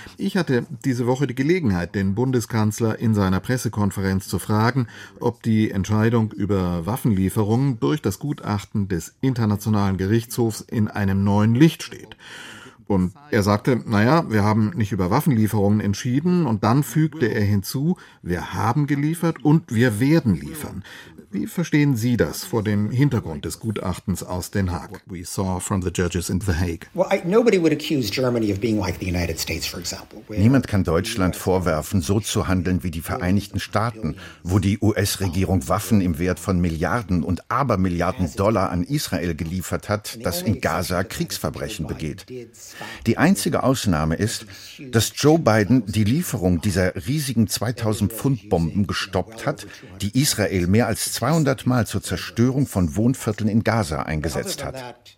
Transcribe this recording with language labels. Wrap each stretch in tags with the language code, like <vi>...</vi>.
<de>Ich hatte diese Woche die Gelegenheit, den Bundeskanzler in seiner Pressekonferenz zu fragen, ob die Entscheidung über Waffenlieferungen durch das Gutachten des Internationalen Gerichtshofs in einem neuen Licht steht. Und er sagte, naja, wir haben nicht über Waffenlieferungen entschieden. Und dann fügte er hinzu, wir haben geliefert und wir werden liefern. Wie verstehen Sie das vor dem Hintergrund des Gutachtens aus Den Haag?</de> <en>We saw from the judges in The Hague. Nobody would accuse Germany of being like the United States, for example.</en> <de>Niemand kann Deutschland vorwerfen, so zu handeln wie die Vereinigten Staaten, wo die US-Regierung Waffen im Wert von Milliarden und Abermilliarden Dollar an Israel geliefert hat, das in Gaza Kriegsverbrechen begeht. Die einzige Ausnahme ist, dass Joe Biden die Lieferung dieser riesigen 2000-Pfund-Bomben gestoppt hat, die Israel mehr als 200 Mal zur Zerstörung von Wohnvierteln in Gaza eingesetzt hat.</de>